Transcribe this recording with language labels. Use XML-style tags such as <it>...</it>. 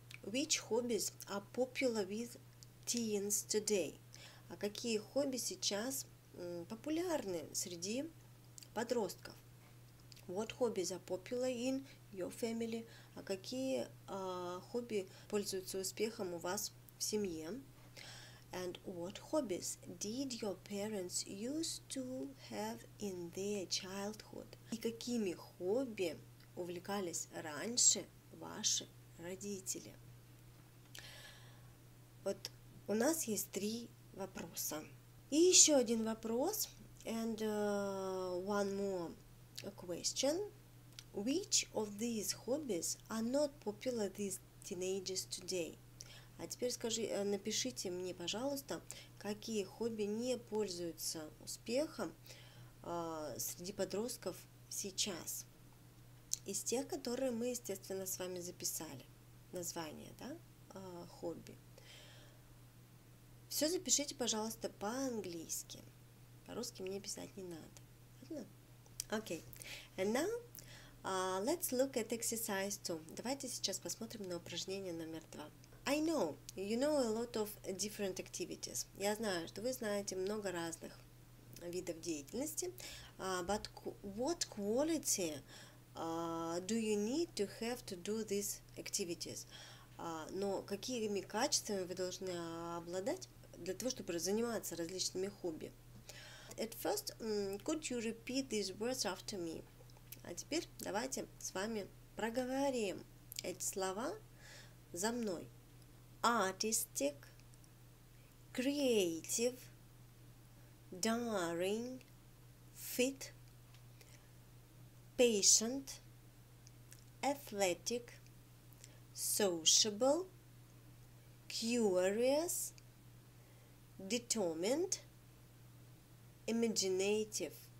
<en>Which hobbies are popular with teens today?</en> <ru>А какие хобби сейчас популярны среди подростков?</ru> <en>What hobbies are popular in your family?</en> <ru>А какие хобби пользуются успехом у вас в семье?</ru> <en>And what hobbies did your parents used to have in their childhood?</en> <ru>И какими хобби увлекались раньше ваши родители. Вот у нас есть три вопроса. И еще один вопрос.</ru> <en>And one more question. Which of these hobbies are not popular these teenagers today?</en> <ru>А теперь скажи, напишите мне, пожалуйста, какие хобби не пользуются успехом среди подростков сейчас. Из тех, которые мы, естественно, с вами записали. Название, да, хобби. Все запишите, пожалуйста, по-английски. По-русски мне писать не надо. Окей.</ru> <en>And now, let's look at exercise 2.</en> <ru>Давайте сейчас посмотрим на упражнение номер 2.</ru> <en>I know, you know a lot of different activities.</en> <ru>Я знаю, что вы знаете много разных видов деятельности.</ru> <en>But what quality do you need to have to do these activities?</en> <ru>Но какими качествами вы должны обладать для того, чтобы заниматься различными хобби?</ru> <en>At first, could you repeat these words after me?</en> <ru>А теперь давайте с вами проговорим эти слова за мной.</ru> <en>Artistic, creative, daring, fit, patient, athletic, sociable, curious, determined, imaginative.</en>